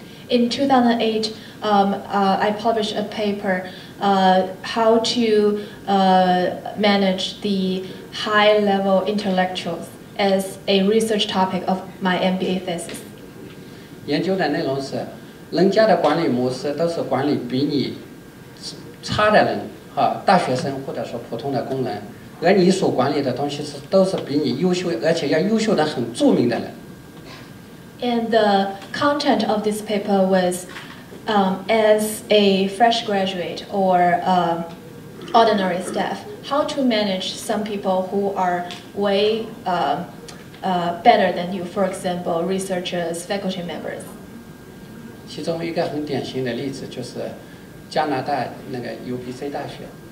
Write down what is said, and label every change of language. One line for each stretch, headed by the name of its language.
English: In 2008, I published a paper, How to Manage the High-Level Intellectuals as a research topic of my MBA thesis.
Chinese: 研究的内容是，人家的管理模式都是管理比你差的人，啊，大学生或者说普通的工人，而你所管理的东西是，都是比你优秀，而且要优秀的很著名的人。
English: And the content of this paper was, as a fresh graduate or ordinary staff, how to manage some people who are way better than you, for example, researchers, faculty members.
Chinese: 其中一个很典型的例子就是加拿大那个 UBC 大学。